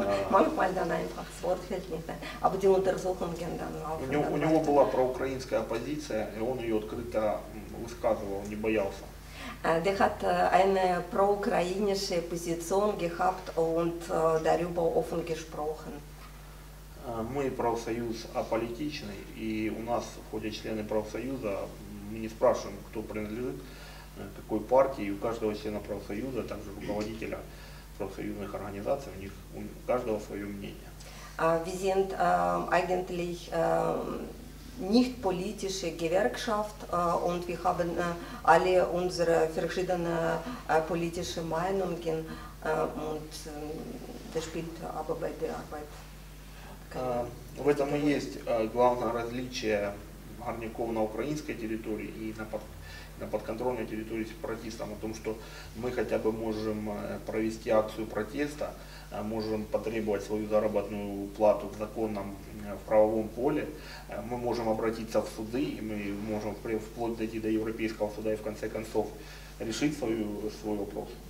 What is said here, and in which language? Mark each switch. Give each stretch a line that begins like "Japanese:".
German: Manchmal dann einfach, das Wort fällt nicht mehr. Aber die Untersuchungen dann laufen.
Russian: У него была проукраинская оппозиция, и он ее открыто высказывал, не боялся.
German: Der hat eine pro-ukrainische Position gehabt und darüber offen gesprochen.
Russian: Мы профсоюз аполитичный, и у нас в ходе члены профсоюза мы не спрашиваем, кто принадлежит какой партии, и у каждого члена профсоюза, также руководителя профсоюзных организаций, у них у каждого свое мнение.
German: Wir sind eigentlich nicht politische Gewerkschaft und wir haben alle unsere verschiedenen politische Meinungen und das spielt aber bei der Arbeit.
Russian: В этом и есть главное различие горняков на украинской территории и на подконтрольной территории сепаратистам о том, что мы хотя бы можем провести акцию протеста, можем потребовать свою заработную плату в законном, в правовом поле, мы можем обратиться в суды, и мы можем вплоть дойти до Европейского суда и в конце концов решить свой вопрос.